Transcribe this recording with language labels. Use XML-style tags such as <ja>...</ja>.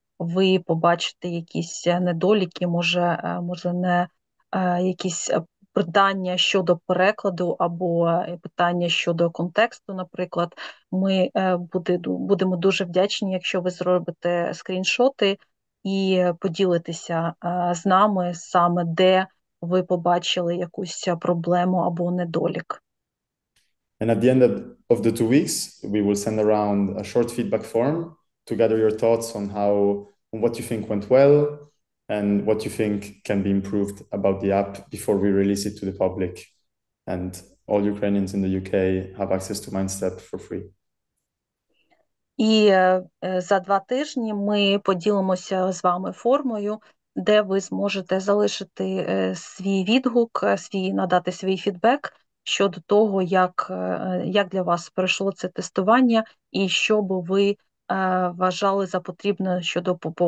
<uk>ви побачите якісь недоліки, може не якісь питання щодо перекладу або питання щодо контексту, наприклад, ми будемо дуже вдячні, якщо ви зробите скріншоти і поділитеся з нами саме, де ви побачили якусь проблему або недолік.</uk> <en>And at the end of the 2 weeks, we will send around a short feedback form to gather your thoughts on how on what you think went well and what you think can be improved about the app before we release it to the public. And all Ukrainians in the UK have access to Mindstep for free.</en> <uk>І за 2 тижні ми поділимося з вами формою, де ви зможете залишити свій відгук, надати свій фідбек щодо того, як для вас пройшло це тестування і що би ви вважали за потрібне щодо</uk>